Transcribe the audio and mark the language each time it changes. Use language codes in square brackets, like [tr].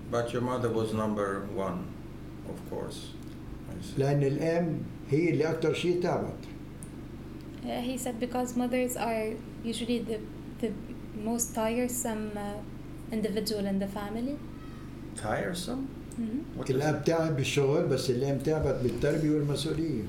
[en] But your mother was number one, of course. [ar] لأن الأم هي اللي أكتر شيء تعبت. [en] He said because mothers are usually the most tiresome individual in the family. Tiresome? Mm-hmm. [ar] الأب تعب بالشغل بس الأم تعبت بالتربية والمسؤولية.